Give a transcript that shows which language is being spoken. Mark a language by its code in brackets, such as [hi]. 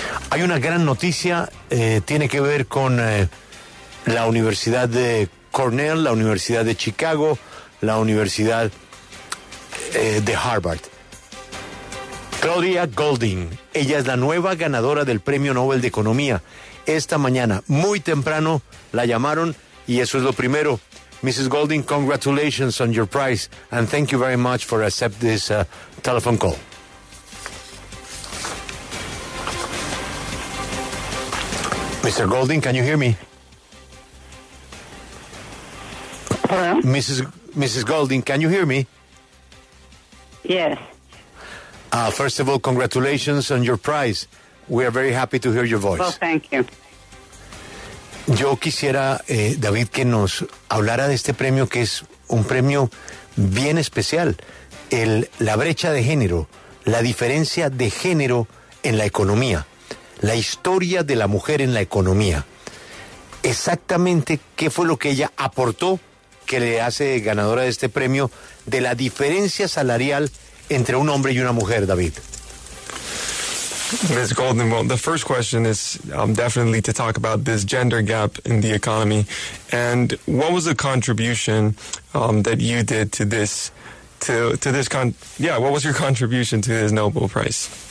[es] Hay una gran noticia, tiene que ver con la Universidad de Cornell, la Universidad de Chicago, la Universidad de Harvard. Claudia Goldin, ella es la nueva ganadora del Premio Nobel de Economía. Esta mañana, muy temprano, la llamaron y eso es lo primero. [en] Mrs. Goldin, congratulations on your prize and thank you very much for accept this telephone call. Mr. Goldin, can you hear me? Hello? Mrs. Goldin, can you hear me? Yes. First of all, congratulations on your prize. We are very happy to hear your voice. Well, thank you. [es] Yo quisiera, David, que nos hablara de este premio, que es un premio bien especial. La brecha de género, la diferencia de género en la economía, la historia de la mujer en la economía. Exactamente, ¿qué fue lo que ella aportó que le hace ganadora de este premio de la diferencia salarial entre un hombre y una mujer, David? [en] Ms. Goldin, well, the first question is definitely to talk about this gender gap in the economy. And what was the contribution that you did to this, what was your contribution to this Nobel Prize?